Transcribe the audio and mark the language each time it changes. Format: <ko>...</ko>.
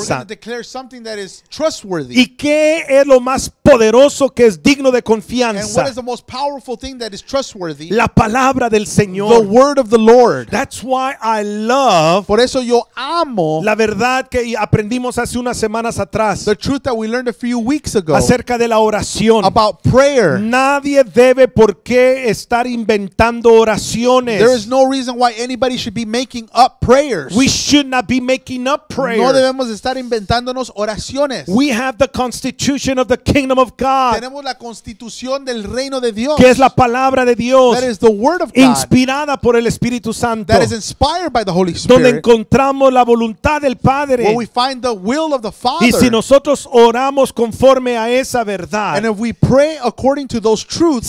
<en>We're going to declare something that is trustworthy.</en> <es>¿Y qué es lo más poderoso que es digno de confianza?</es> <en>And what is the most powerful thing that is trustworthy?</en> <es>La palabra del Señor.</es> <en>The word of the Lord. That's why I love.</en> <es>Por eso yo amo. La verdad que aprendimos hace unas semanas atrás.</es> <en>The truth that we learned a few weeks ago.</en> <es>Acerca de la oración.</es> <en>About prayer.</en> <es>Nadie debe por qué estar inventando oraciones.</es> <en>There is no reason why anybody should be making up prayers. We should not be making up prayers.</en> <es>No debemos estar inventándonos oraciones.</es> <en>We have the constitution of the kingdom of God.</en> <es>Tenemos la constitución del reino de Dios. Que es la palabra de Dios.</es> <en>That is the word of God.</en> <es>Inspirada por el Espíritu Santo.</es> <en>That is inspired by the Holy Spirit.</en> <es>Donde encontramos la voluntad del Padre.</es> <en>Where we find the will of the Father.</en> <es>Y si nosotros oramos conforme a esa verdad.</es> <en>And if we pray according to those truths.</en>